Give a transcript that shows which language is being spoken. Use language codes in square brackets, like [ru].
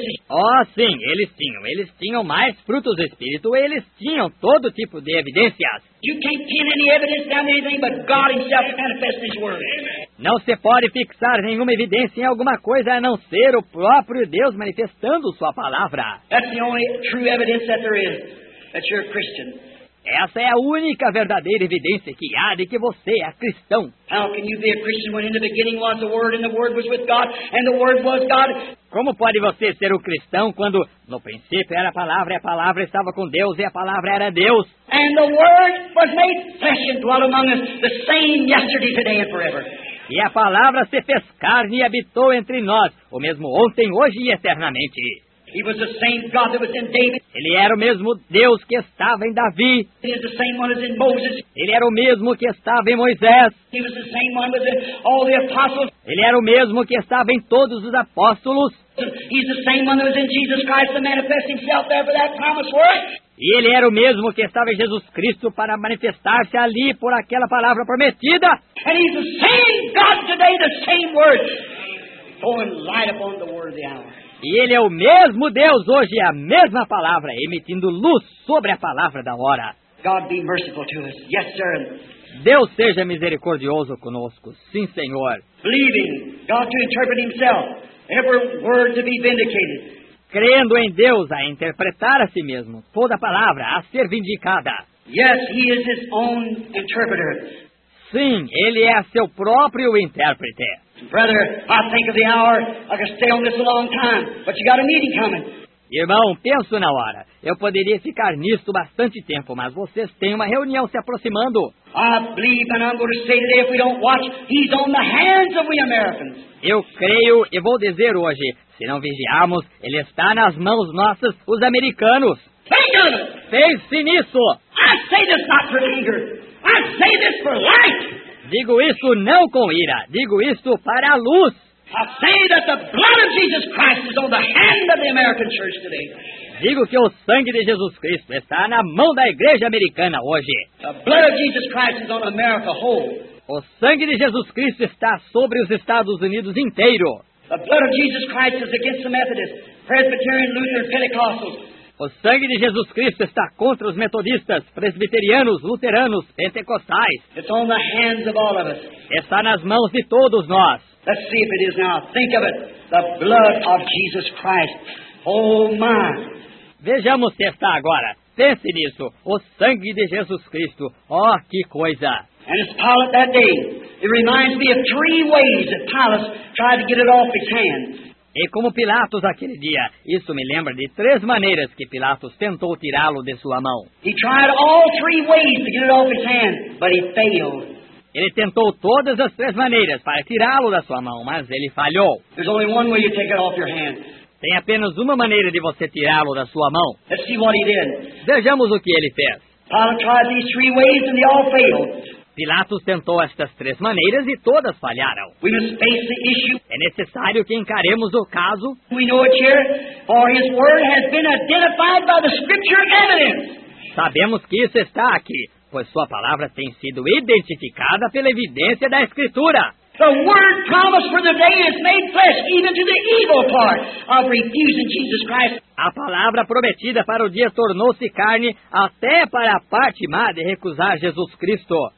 [pt] Oh, sim, eles tinham. Eles tinham mais frutos do Espírito. Eles tinham todo tipo de evidências. [en] You can't pin any evidence down to anything but God himself manifests his word. [pt] Não se pode fixar nenhuma evidência em alguma coisa a não ser o próprio Deus manifestando sua palavra. [en] That's the only true evidence that there is, that you're a Christian. [pt] Essa é a única verdadeira evidência que há de que você é cristão. [en] How can you be a Christian when in the beginning was the Word and the Word was with God and the Word was God? [pt] Como pode você ser um cristão quando no princípio era a palavra e a palavra estava com Deus e a palavra era Deus? [en] And the Word was made flesh and dwelt among us, the same yesterday, today and forever. [pt] E a palavra se fez carne e habitou entre nós, o mesmo ontem, hoje e eternamente. [en] He was the same God that was in David. [pt] Ele era o mesmo Deus que estava em Davi. [en] He is the same one as in Moses. [pt] Ele era o mesmo que estava em Moisés. [en] He was the same one as in all the apostles. [pt] Ele era o mesmo que estava em todos os apóstolos. [en] He's the same one that was in Jesus Christ to manifest himself there for that promise word. [pt] E ele era o mesmo que estava em Jesus Cristo para manifestar-se ali por aquela palavra prometida. [en] And he's the same God today, the same word. Throwing light upon the word of the hour. [pt] E ele é o mesmo Deus hoje, a mesma palavra, emitindo luz sobre a palavra da hora. [en] God be merciful to us. Yes, sir. [pt] Deus seja misericordioso conosco. Sim, Senhor. [en] Believing God to interpret himself, every word to be vindicated. [pt] Crendo em Deus a interpretar a si mesmo, toda palavra a ser vindicada. [en] Yes, he is his own interpreter. [pt] Sim, ele é seu próprio intérprete. [en] Brother, I think of the hour. I could stay on this a long time, but you got a meeting coming. [pt] Irmão, penso na hora. Eu poderia ficar nisto bastante tempo, mas vocês têm uma reunião se aproximando. [en] I believe, and I'm going to say today, if we don't watch, he's on the hands of we Americans. [pt] Eu creio e vou dizer hoje, se não vigiarmos, ele está nas mãos nossas, os americanos. [en] Think of it. [pt] Pense nisso. [en] I say this not for anger. I say this for light. [pt] Digo isso não com ira, digo isso para a luz. [en] I say that the blood of Jesus Christ is on the hand of the American church today. [pt] digo que o sangue de Jesus Cristo está na mão da igreja americana hoje. [en] The blood of Jesus Christ is on America whole. [pt] O sangue de Jesus Cristo está sobre os Estados Unidos inteiro. [en] The blood of Jesus Christ is against the Methodists, Presbyterian, Lutheran, Pentecostals. [pt] O sangue de Jesus Cristo está contra os metodistas, presbiterianos, luteranos, pentecostais. [en] It's on the hands of all of us. [pt] Está nas mãos de todos nós. [en] Let's see if it is now. Think of it. The blood of Jesus Christ. Oh, my. [pt] Vejamos se está agora. Pense nisso. O sangue de Jesus Cristo. Oh, que coisa. [en] And as Pilate that day, it reminds me of three ways that Pilate tried to get it off his hand. [pt] E como Pilatos aquele dia, isso me lembra de três maneiras que Pilatos tentou tirá-lo de sua mão. [en] He tried all three ways to get it off his hand, but he failed. [pt] Ele tentou todas as três maneiras para tirá-lo da sua mão, mas ele falhou. [en] There's only one way to take it off your hand. [pt] Tem apenas uma maneira de você tirá-lo da sua mão. [en] Let's see what he did. [pt] Vejamos o que ele fez. [en] Pilate tried these three ways and they all failed. [pt] Pilatos tentou estas três maneiras e todas falharam. [en] We must face the issue. [pt] É necessário que encaremos o caso. [en] We know it here, for his word has been identified by the scripture evidence. [pt] Sabemos que isso está aqui, pois sua palavra tem sido identificada pela evidência da escritura. [en] The word promised for the day is made flesh, even to the evil part of refusing Jesus Christ. [pt] A palavra prometida para o dia tornou-se carne até para a parte má de recusar Jesus Cristo.